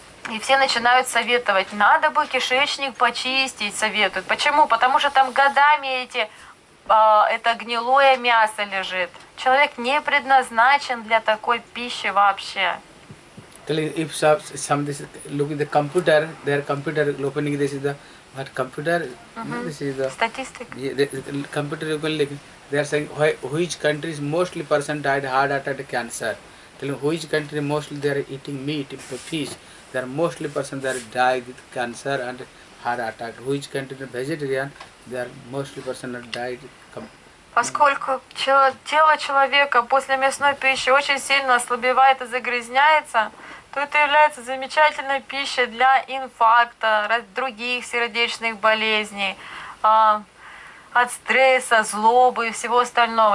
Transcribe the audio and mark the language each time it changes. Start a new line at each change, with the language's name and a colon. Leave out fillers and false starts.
Russian: И все начинают советовать, надо бы кишечник почистить, советуют. Почему? Потому что там годами это гнилое мясо лежит. Человек не предназначен для такой пищи вообще.
English: If somebody look at the computer, their computer opening this is the but computer, this is the statistic. Computer you can look. They are saying which countries mostly person died heart attack cancer. Tell me which country mostly they are eating meat, fish. They are mostly person that died with cancer and heart attack. Which country vegetarian? They are mostly person that died.
Russian: Поскольку тело человека после мясной пищи очень сильно ослабевает и загрязняется, то это является замечательной пищей для инфаркта, других сердечных болезней, от стресса, злобы и всего остального.